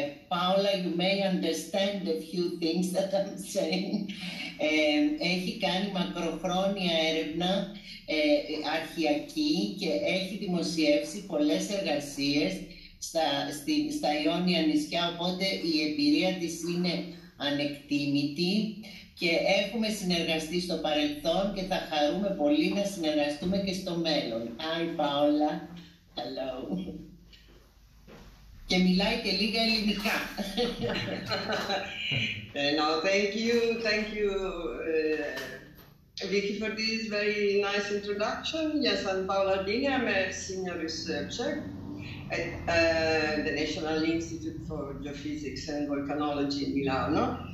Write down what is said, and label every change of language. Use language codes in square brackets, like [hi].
[en] Paola, you may understand a few things that I'm saying. [el] Έχει κάνει μακροχρόνια έρευνα αρχιακή και έχει δημοσιεύσει πολλές εργασίες στα Ιόνια νησιά, οπότε η εμπειρία της είναι ανεκτίμητη, και έχουμε συνεργαστεί στο παρελθόν και θα χαρούμε πολύ να συνεργαστούμε και στο μέλλον. [en] Hi, Paola. Hello. [el] Και μιλάει και λίγα ελληνικά. [en] No, thank you, Vicky, for this very nice introduction. Yes, I'm Paola Albini, I'm a senior researcher at the National Institute for Geophysics and Volcanology in Milano.